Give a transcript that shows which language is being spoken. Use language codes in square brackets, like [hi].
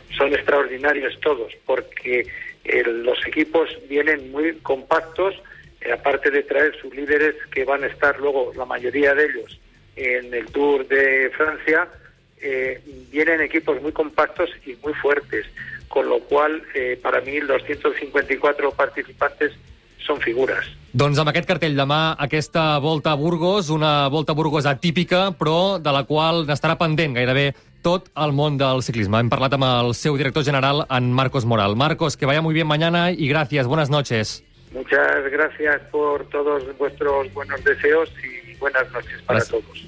[es] extraordinarios todos, porque los equipos vienen muy compactos, aparte de traer sus líderes que van a estar luego, la mayoría de ellos, en el Tour de Francia, vienen equipos muy compactos y muy fuertes, con lo cual para mí los 154 participantes son figuras. [ca] Doncs amb aquest cartell demà, aquesta Volta a Burgos, una Volta a Burgos atípica, però de la qual n'estarà pendent gairebé tot el món del ciclisme. Hem parlat amb el seu director general, en Marcos Moral. [es] Marcos, que vaya muy bien mañana y gracias. Buenas noches. Muchas gracias por todos vuestros buenos deseos y buenas noches para todos.